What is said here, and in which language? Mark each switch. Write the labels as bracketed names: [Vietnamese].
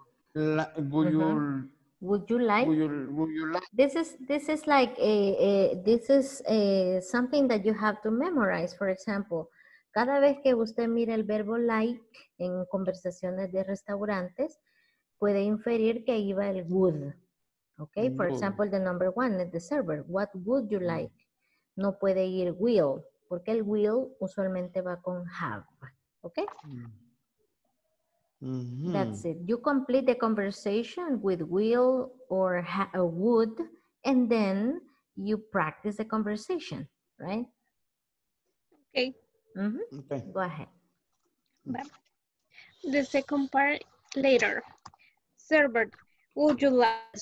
[English] This is something that you have to memorize. For example, [Spanish] cada vez que usted mire el verbo like en conversaciones de restaurantes, puede inferir que ahí va el would. [English] Okay, for example, the number one, the server, what would you like? [Spanish] No puede ir will, porque el will usualmente va con have. [English] Okay? Mm-hmm. That's it. You complete the conversation with will or would, and then you practice the conversation, right? Okay. Mm-hmm. Okay. Go ahead. The second part later. Server, would you like?